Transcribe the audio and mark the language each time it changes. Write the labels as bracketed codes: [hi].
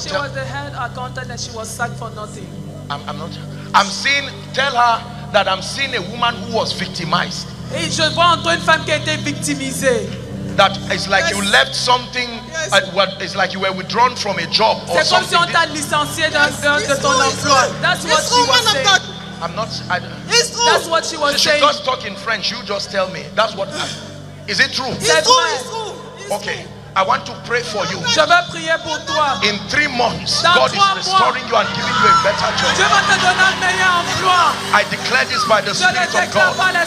[en] She was the head accountant and she was sacked for nothing. I'm seeing, tell her that I'm seeing a woman who was victimized. That it's like you left something. It's like you were withdrawn from a job or [fr] c'est [en] something. [fr] Comme si on t'a licencié d'un de ton emploi. [en] That's what she was saying. I'm not. That's what she was saying. She should just talk in French. You just tell me. That's what. Is it true? It's true. Okay. I want to pray for you. [fr] Je vais prier pour toi. [en] In 3 months, [fr] dans [en] God is restoring [fr] mois, [en] you and giving you a better job. [fr] Dieu va te donner un meilleur emploi. [en] I declare this by the Spirit of God.